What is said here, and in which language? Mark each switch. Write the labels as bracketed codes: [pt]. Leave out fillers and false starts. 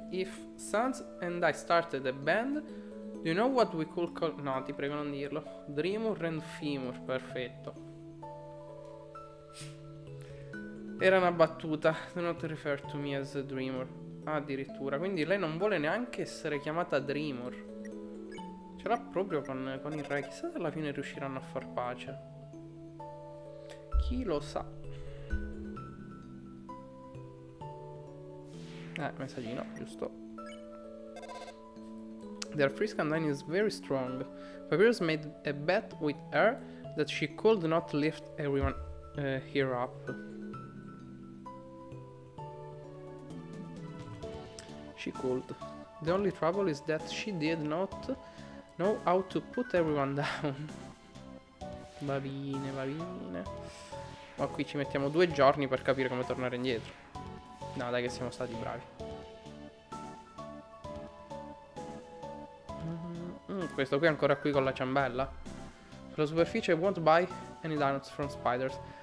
[en] If Sans and I started a band, do you know what we could call... [it] No, ti prego non dirlo. Dreamur and Femur. Perfetto. Era una battuta. [en] Do not refer to me as a Dreamur. [it] Ah, addirittura. Quindi lei non vuole neanche essere chiamata Dreamur. Ce l'ha proprio con il re. Chissà se alla fine riusciranno a far pace. Chi lo sa? Messaggino, giusto. [en] Their frisk and is very strong. Papyrus made a bet with her that she could not lift everyone here up. She could. The only trouble is that she did not know how to put everyone down. [it] Va bene, va bene. ma qui ci mettiamo 2 giorni per capire come tornare indietro. No, dai, che siamo stati bravi. Questo qui è ancora qui con la ciambella. La superficie [en] won't buy any donuts from spiders.